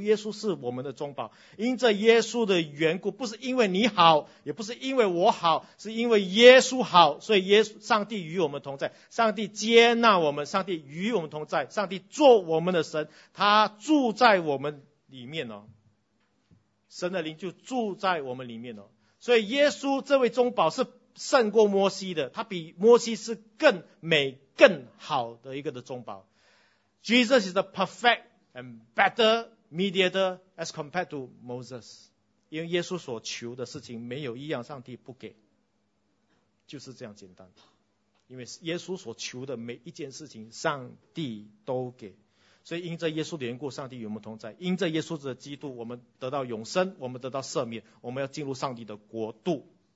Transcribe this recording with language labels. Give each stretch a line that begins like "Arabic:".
Chinese: 耶稣是我们的中保，因着耶稣的缘故，不是因为你好，也不是因为我好，是因为耶稣好，所以耶稣，上帝与我们同在，上帝接纳我们，上帝与我们同在，上帝做我们的神，他住在我们里面哦，神的灵就住在我们里面哦。所以耶稣这位中保是胜过摩西的，他比摩西是更美更好的一个的中保。
English: Jesus is the perfect and better mediator as compared to Moses.
Chinese: 因为耶稣所求的事情没有一样上帝不给，就是这样简单的。因为耶稣所求的每一件事情上帝都给，所以因着耶稣的缘故，上帝与我们同在，因着耶稣的基督，我们得到永生，我们得到赦免，我们要进入上帝的国度。